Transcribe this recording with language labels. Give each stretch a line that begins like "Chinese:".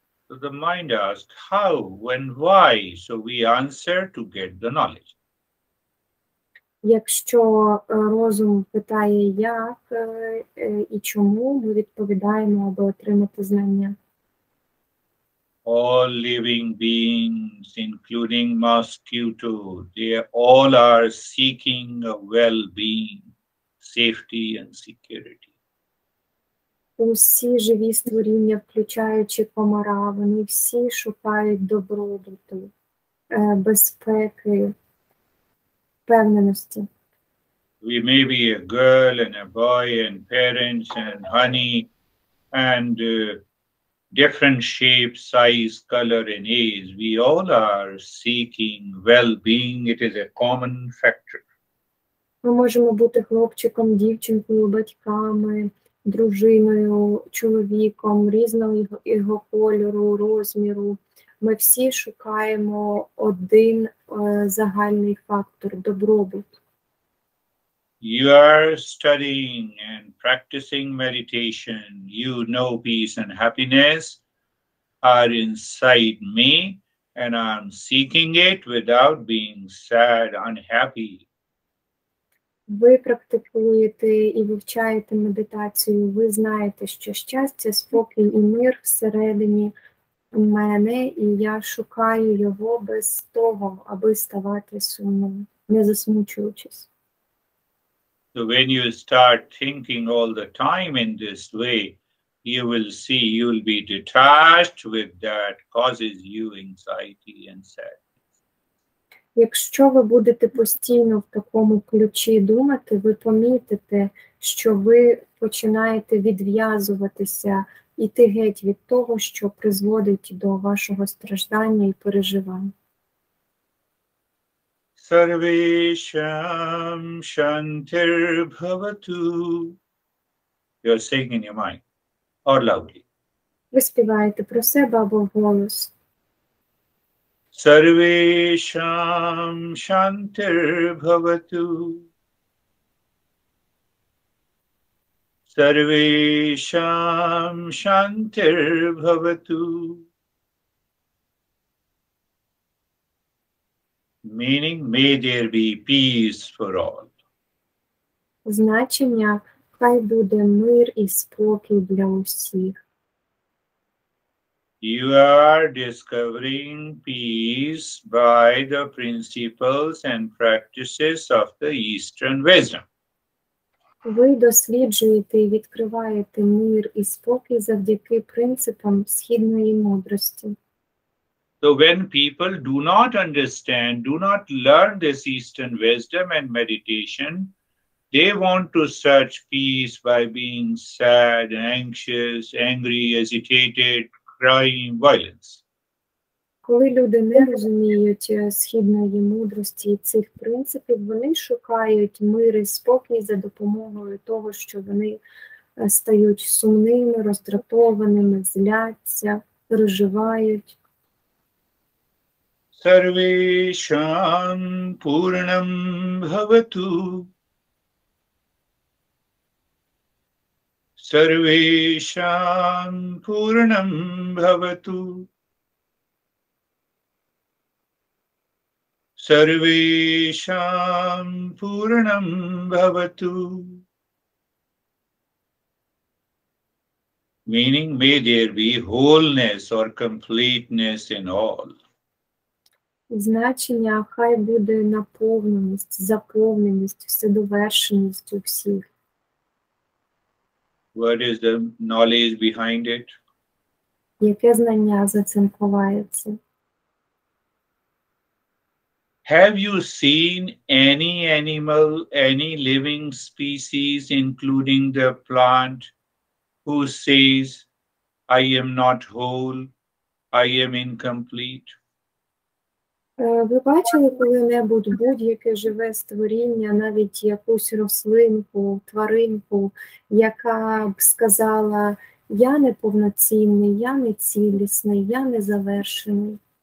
English: So the mind asks how, when, why, so we answer to get the knowledge.
Ukrainian: Якщо розум питає як і чому, ми відповідаємо, аби отримати знання.
English: All living beings, including mosquito, they all are seeking a well-being, safety and security.
Ukrainian: Усі живі створіння, включаючи комара, вони всі шукають добробуту, безпеки, впевненості.
English: We may be a girl and a boy and parents and honey and different shapes, size, color and age. We all are seeking well-being. It is a common factor.
Ukrainian: Ми можемо бути хлопчиком, дівчинкою, батьками, дружиною, чоловіком, різного його кольору, розміру. Ми всі шукаємо один загальний фактор – добробут.
English: You are studying and practicing meditation. You know peace and happiness are inside me and I'm seeking it without being sad, unhappy.
Ukrainian: Ви практикуєте і вивчаєте медитацію, ви знаєте, що щастя, спокій і мир всередині мене, і я шукаю його без того, аби ставати сумним, не засмучуючись.
English: So when you start thinking all the time in this way, you will see you'll be detached with that causes you anxiety and sadness.
Ukrainian: Якщо ви будете постійно в такому ключі думати, ви помітите, що ви починаєте відв'язуватися, іти геть від того, що призводить до вашого страждання і переживань.
Sanskrit: Sarvesham Shantir Bhavatu.
English: You're saying in your mind, or loudly.
Ukrainian: Ви співаєте про себе або в голос.
Sanskrit: Sarvesham Shantir Bhavatu. Sarvesham Shantir Bhavatu.
English: Meaning, may there be peace for all.
Ukrainian: Значення, хай буде мир і спокій для усіх.
English: You are discovering peace by the principles and practices of the Eastern wisdom.
Ukrainian: Ви досліджуєте і відкриваєте мир і спокій завдяки принципам східної мудрості.
English: So when people do not understand, do not learn this Eastern wisdom and meditation, they want to search peace by being sad, anxious, angry, agitated, crying, violence.
Ukrainian: Коли люди не розуміють східної мудрості і цих принципів, вони шукають мир і спокій за допомогою того, що вони стають сумними, роздратованими, зляться, переживають.
Sanskrit: Sarvesham Purnam Bhavatu. Sarvesham Purnam Bhavatu. Sarvesham Purnam Bhavatu.
English: Meaning, may there be wholeness or completeness in all.
Ukrainian: Значення, хай буде наповненість, заповненість, вседовершеність у всіх.
English: What is the knowledge behind it?
Ukrainian: Яке знання за цим ховається?
English: Have you seen any animal, any living species, including the plant, who says, I am not whole, I am incomplete?
Ukrainian: Ви бачили коли-небудь будь-яке живе створіння, навіть якусь рослинку, тваринку, яка б сказала, я не повноцінний, я не цілісний, я не завершений?